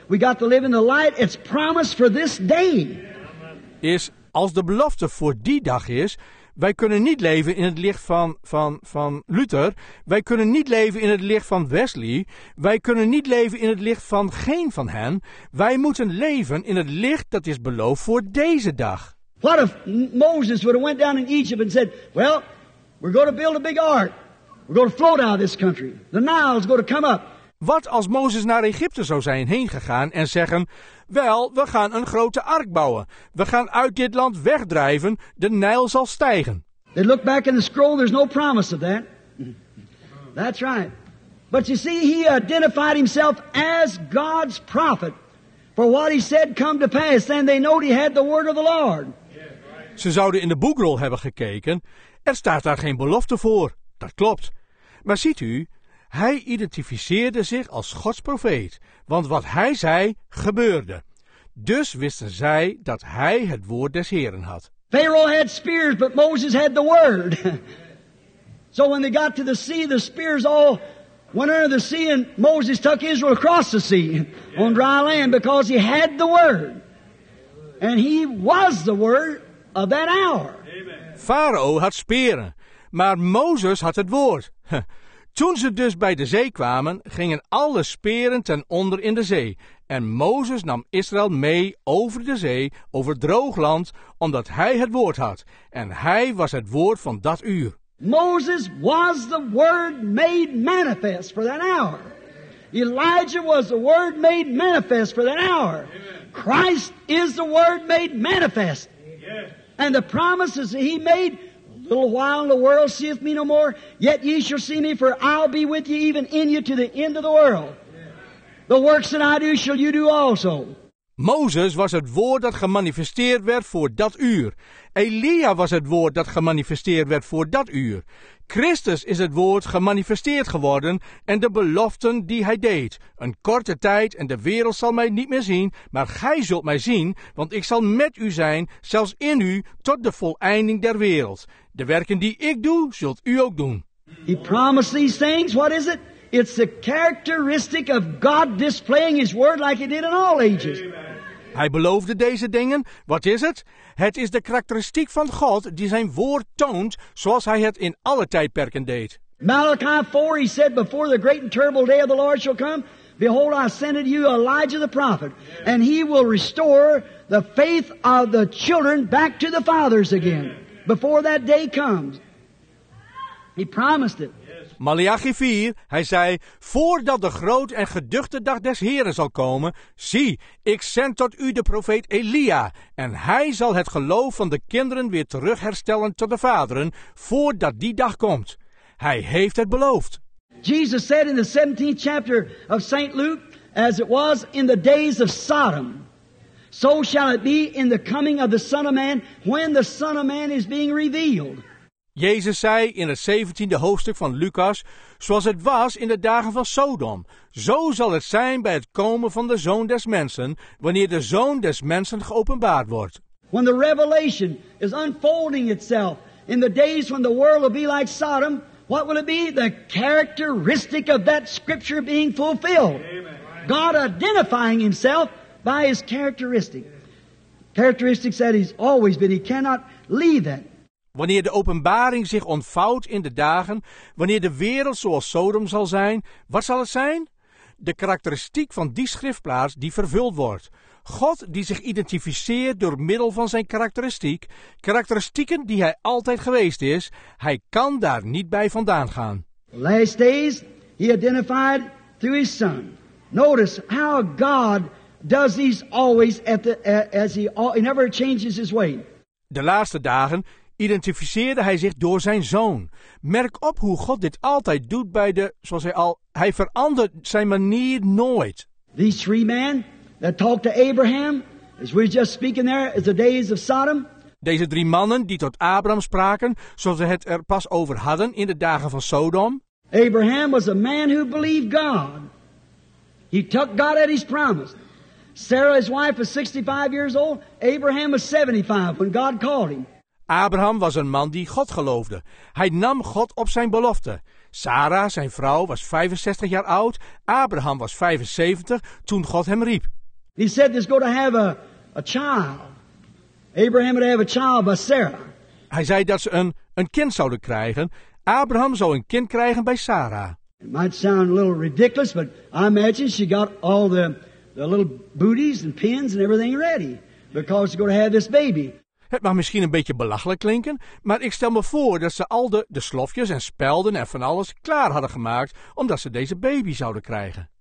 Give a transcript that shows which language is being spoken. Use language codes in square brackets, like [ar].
[en] We got to live in the light, it's promised for this day. [nl] Is, als de belofte voor die dag is, wij kunnen niet leven in het licht van Luther. Wij kunnen niet leven in het licht van Wesley. Wij kunnen niet leven in het licht van geen van hen. Wij moeten leven in het licht dat is beloofd voor deze dag. [en] What if Moses would have went down in Egypt and said, well, we're going to build a big ark. We're going to float out of this country. The Nile is going to come up. [nl] Wat als Mozes naar Egypte zou zijn heen gegaan en zeggen, wel, we gaan een grote ark bouwen. We gaan uit dit land wegdrijven, de Nijl zal stijgen. [en] They look back in the scroll, there's no promise of that. That's right. But you see, he identified himself as God's prophet. For what he said come to pass, then they know he had the word of the Lord. [nl] Ze zouden in de boekrol hebben gekeken. Er staat daar geen belofte voor. Dat klopt. Maar ziet u, hij identificeerde zich als Gods profeet, want wat hij zei, gebeurde. Dus wisten zij dat hij het woord des Heren had. [en] Pharaoh had spears, but Moses had the word. So when they got to the sea, the spears all went under the sea, and Moses took Israel across the sea on dry land, because he had the word. And he was the word of that hour. [nl] Farao had speren, maar Mozes had het woord. Toen ze dus bij de zee kwamen, gingen alle speren ten onder in de zee. En Mozes nam Israël mee over de zee, over droog land, omdat hij het woord had. En hij was het woord van dat uur. [en] Moses was the word made manifest for that hour. Elijah was the word made manifest for that hour. Christ is the word made manifest. And the promises that he made, a little while the world seeth me no more, yet ye shall see me, for I'll be with you even in you to the end of the world. The works that I do shall you do also. [nl] Mozes was het woord dat gemanifesteerd werd voor dat uur. Elia was het woord dat gemanifesteerd werd voor dat uur. Christus is het woord gemanifesteerd geworden en de beloften die hij deed. Een korte tijd en de wereld zal mij niet meer zien, maar gij zult mij zien, want ik zal met u zijn, zelfs in u, tot de voleinding der wereld. De werken die ik doe, zult u ook doen. [en] He promised these things, what is it? It's the characteristic of God displaying his word like he did in all ages. [nl] Hij beloofde deze dingen. Wat is het? Het is de karakteristiek van God die zijn woord toont zoals hij het in alle tijdperken deed. [en] Malachi 4, he said, before the great and terrible day of the Lord shall come, behold, I send unto you Elijah the prophet, and he will restore the faith of the children back to the fathers again, before that day comes. He promised it. [nl] Malachi 4, hij zei, voordat de groot en geduchte dag des Heren zal komen, zie, ik zend tot u de profeet Elia, en hij zal het geloof van de kinderen weer terugherstellen tot de vaderen, voordat die dag komt. Hij heeft het beloofd. [en] Jesus said in the 17th chapter of St. Luke, as it was in the days of Sodom, so shall it be in the coming of the Son of Man, when the Son of Man is being revealed. [nl] Jezus zei in het 17e hoofdstuk van Lucas, zoals het was in de dagen van Sodom, zo zal het zijn bij het komen van de Zoon des Mensen, wanneer de Zoon des Mensen geopenbaard wordt. [en] When the revelation is unfolding itself in the days when the world will be like Sodom, what will it be? The characteristic of that scripture being fulfilled. Amen. God identifying himself by his characteristic. Characteristics that he's always been. He cannot leave that. [nl] Wanneer de openbaring zich ontvouwt in de dagen, wanneer de wereld zoals Sodom zal zijn, wat zal het zijn? De karakteristiek van die schriftplaats die vervuld wordt. God die zich identificeert door middel van zijn karakteristiek, karakteristieken die hij altijd geweest is, hij kan daar niet bij vandaan gaan. [en] Last days, he identified through his son. Notice how God does these always he never changes his way. [nl] De laatste dagen identificeerde hij zich door zijn zoon. Merk op hoe God dit altijd doet bij de, zoals hij al, hij verandert zijn manier nooit. [en] These three men that talked to Abraham, as we just speaking there, is the days of Sodom. [nl] Deze drie mannen die tot Abraham spraken, zoals we het er pas over hadden in de dagen van Sodom. [en] Abraham was a man who believed God. He took God at his promise. Sarah, his wife, was 65 years old. Abraham was 75 when God called him. [nl] Abraham was een man die God geloofde. Hij nam God op zijn belofte. Sarah, zijn vrouw, was 65 jaar oud. Abraham was 75 toen God hem riep. [en] He said he's going to have a child. Abraham would have a child by Sarah. [nl] Hij zei dat ze een kind zouden krijgen. Abraham zou een kind krijgen bij Sarah. [en] It might sound a little ridiculous, but I imagine she got all the little booties and pins and everything ready because she's going to have this baby. [nl] Het mag misschien een beetje belachelijk klinken, maar ik stel me voor dat ze al de slofjes en spelden en van alles klaar hadden gemaakt, omdat ze deze baby zouden krijgen.